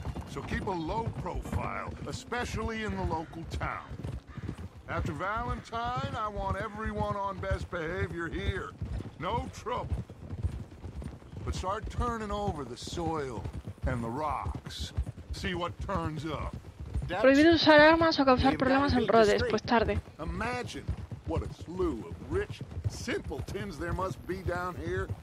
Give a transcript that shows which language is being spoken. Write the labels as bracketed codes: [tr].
[en] So keep a low profile, especially in the local town. After Valentine, I want everyone on best behavior here. No trouble. But start turning over the soil and the rocks. See what turns up. [es] Prohibido usar armas o causar problemas en Rhodes, pues tarde. [en] Imagine what a slew of rich simpletons there must be down here.